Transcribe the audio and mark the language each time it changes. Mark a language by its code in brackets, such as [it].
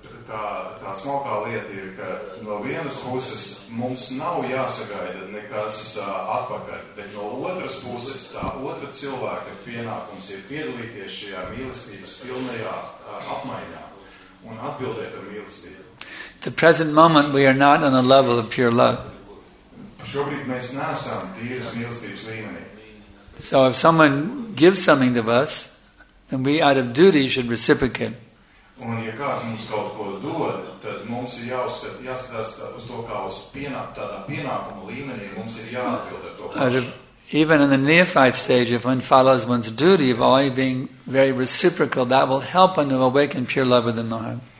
[lv] Tā smalkā lieta ir, ka no vienas puses mums nav jāsagaida nekas atpakaļ, bet no otras puses tā otra cilvēka pienākums ir piedalīties šajā mīlestības pilnajā apmaiņā un atbildēt ar mīlestību. [en] The present moment we are not on the level of pure love. [lv] Šobrīd mēs neesam tīras mīlestības līmenī. [en] So if someone gives something to us, then we out of duty should reciprocate. [lv] Un ja kāds mums kaut ko dod, tad mums ir jāskatās uz to, kā uz tādā pienākuma līmenī, mums ir jāatbild ar to pašu. [en] Even in the neophyte stage, if one follows one's duty of always being very reciprocal, that will help one to awaken pure love within the heart.